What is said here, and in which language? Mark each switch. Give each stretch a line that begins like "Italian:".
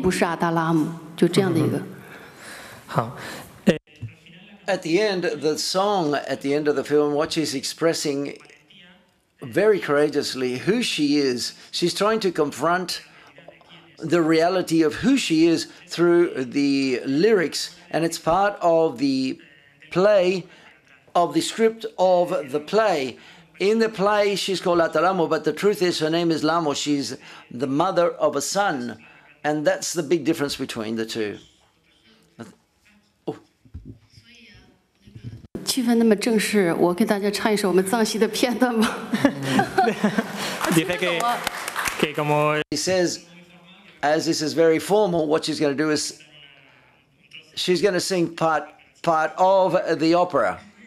Chinese: 对，一开始是比较坏的。他应该说是就是有勇气去面对和承担自己所做的责任，这样的一个角色。然后，所以我最后唱的歌本来是那个藏戏阿达拉姆的词儿，但是就是最后展现的时候是其实词儿是拉姆他自己改了的。其实他只是一个孩子的母亲，我的名字就叫拉姆，我并不是阿达拉姆，就这样的一个。好。
English: At the end, the song at the end of the film, what she's expressing very courageously who she is. She's trying to confront the reality of who she is through the lyrics, and it's part of the play, of the script of the play. In the play, she's called Atalamo, but the truth is her name is Lamo. She's the mother of a son, and that's the big difference between the two.
Chinese: 气氛那么正式，我给大家唱一首我们藏戏的片段吧。你可以给，给个么？
English: He says, as this is very formal, what she's going to do is, she's going to sing part of the opera.